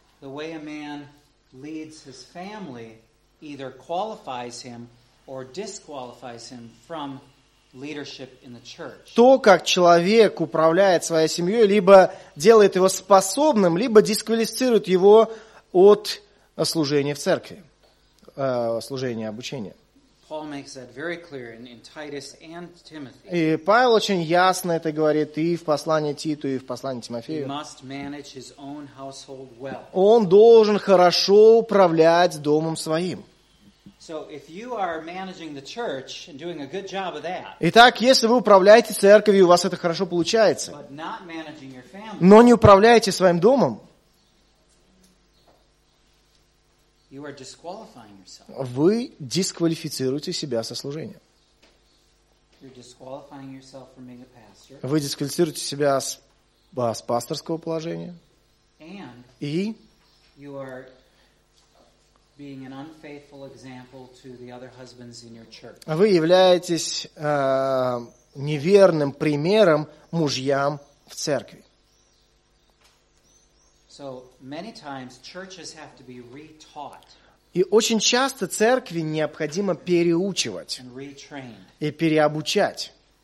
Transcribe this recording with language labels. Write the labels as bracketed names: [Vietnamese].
[English] the way a man leads his family either qualifies him or disqualifies him from leadership in the church. [Russian] То, как человек управляет своей семьей, либо делает его способным, либо дисквалифицирует его от служение в церкви, служение обучения. [English] Paul makes that very clear in Titus and Timothy. [Russian] И Павел очень ясно это говорит и в послании Титу, и в послании Тимофею. [English] He must manage his own household well. [Russian] Он должен хорошо управлять домом своим. [English] So if you are managing the church and doing a good job of that. [Russian] Итак, если вы управляете церковью, у вас это хорошо получается. [English] But not managing your family. [Russian] Но не управляете своим домом. [English] You are disqualifying yourself. [Russian] Вы дисквалифицируете себя со служением. [English] You're disqualifying yourself from being a pastor. [Russian] Вы дисквалифицируете себя с пасторского положения. [English] And [Russian] и [English] you are being an unfaithful example to the other husbands in your church. [Russian] Вы являетесь неверным примером мужьям в церкви. [English] So many times churches have to be retaught. [Russian] И очень часто церкви необходимо переучивать и переобучать.